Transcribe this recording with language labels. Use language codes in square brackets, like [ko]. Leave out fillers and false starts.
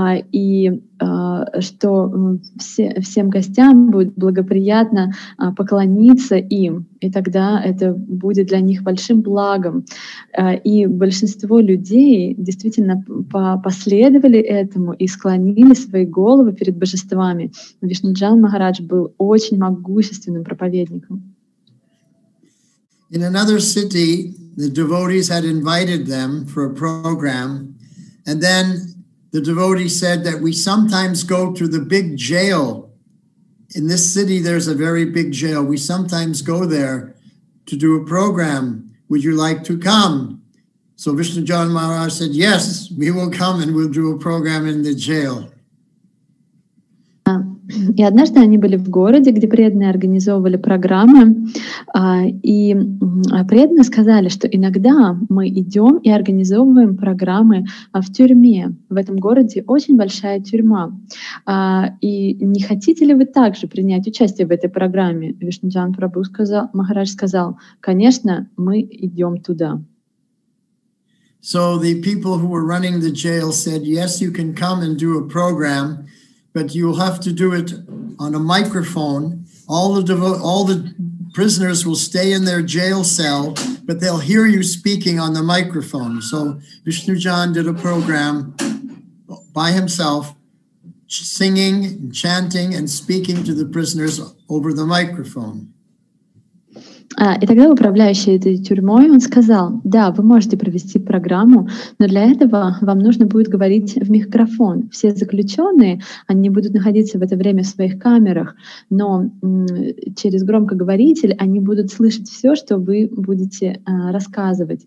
[ru] И что всем гостям будет благоприятно поклониться им, и тогда это будет для них большим благом. И большинство людей действительно последовали этому и склонили свои головы перед божествами. Вишнуджан Махарадж был очень могущественным проповедником. [en] In another city, the devotees had invited them for a program, and then the devotee said that we sometimes go to the big jail. In this city, there's a very big jail. We sometimes go there to do a program. Would you like to come? So Vishnujan Maharaj said, yes, we will come and we'll do a program in the jail. [ru] И однажды они были в городе, где преданные организовывали программы, и преданные сказали, что иногда мы идем и организовываем программы в тюрьме. В этом городе очень большая тюрьма. И не хотите ли вы также принять участие в этой программе? Вишнуджан Прабху сказал, Махарадж сказал, конечно, мы идем туда. [en] So the people who were running the jail said, yes, you can come and do a program. But you'll have to do it on a microphone. All the prisoners will stay in their jail cell, but they'll hear you speaking on the microphone. So Vishnujan did a program by himself, singing, chanting, and speaking to the prisoners over the microphone. [ru] И тогда управляющий этой тюрьмой, он сказал, да, вы можете провести программу, но для этого вам нужно будет говорить в микрофон. Все заключенные, они будут находиться в это время в своих камерах, но через громкоговоритель они будут слышать все, что вы будете рассказывать.